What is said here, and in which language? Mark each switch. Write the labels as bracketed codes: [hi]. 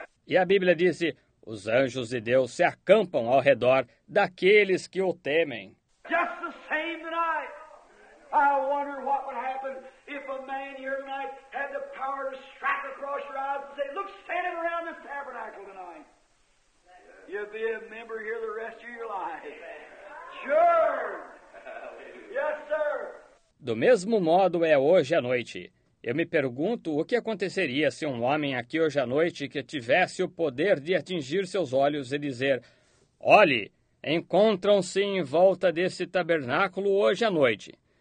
[pt] E a Bíblia diz, os anjos de Deus se acampam ao redor daqueles que o temem. [en] Just the same tonight, I wonder what would happen if a man here tonight had the power to strike across your eyes and say, look, stand around this tabernacle tonight. You'll be a member here the rest of your life. Sure. Yes, sir. [pt] Do mesmo modo é hoje à noite. Eu me pergunto o que aconteceria se um homem aqui hoje à noite que tivesse o poder de atingir seus olhos e dizer, olhe, encontram-se em volta desse tabernáculo hoje à noite.